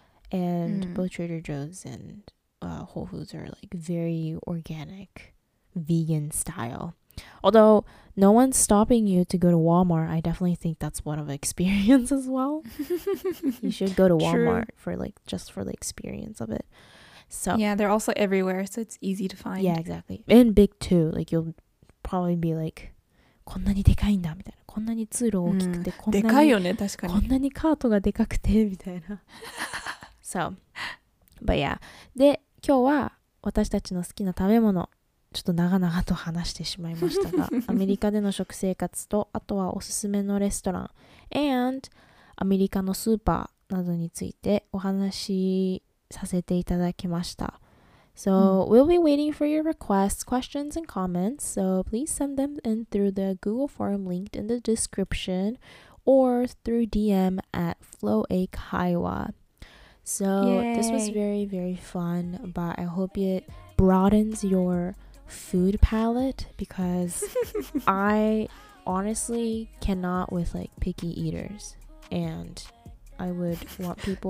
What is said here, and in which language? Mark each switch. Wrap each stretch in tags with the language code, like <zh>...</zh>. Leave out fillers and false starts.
<en>And both Trader Joe's and Whole Foods are like very organic, vegan style. Although no one's stopping you to go to Walmart, I definitely think that's one of the experience as well. You should go to Walmart for the experience of it. So yeah, they're also everywhere, so it's easy to find. Yeah, exactly. And big too. Like, you'll probably be like,</en> <ja>こんなにでかいんだみたいな。こんなに通路大きくて、こんなに、でかいよね、確かに。こんなにカートがでかくてみたいな。</ja> <en>So, but yeah.</en> <ja>で、今日は私たちの好きな食べ物、ちょっと長々と話してしまいましたが、アメリカでの食生活と、あとはおすすめのレストラン、and アメリカのスーパーなどについてお話しさせていただきました。</ja> <en>So, we'll be waiting for your requests, questions, and comments. So, please send them in through the Google form linked in the description or through DM at flowakaiwa. So, this was very, very fun, but I hope it broadens your food palette, because I honestly cannot with like picky eaters, and I would want people...</en>